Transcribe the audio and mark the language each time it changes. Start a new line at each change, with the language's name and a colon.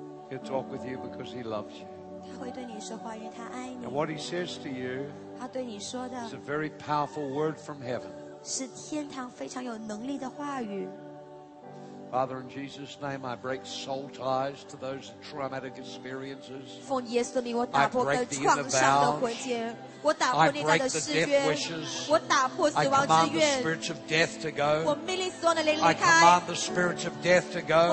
English: He'll talk with you because he loves you.
Chinese: 他会对你说话，因为他爱你。
English: And what he says to you.
Chinese: 他对你说的
English: It's a very powerful word from heaven.
Chinese: 是天堂非常有能力的话语。
English: Father, in Jesus' name, I break soul ties to those traumatic experiences.
Chinese: 奉耶稣的名，我打破跟创伤的关节。我打破内在的誓约。
English: I break the death wishes.
Chinese: 我打破死亡之愿。
English: I command the spirits of death to go.
Chinese: 我命令死亡的灵离开。
English: I command the spirits of death to go.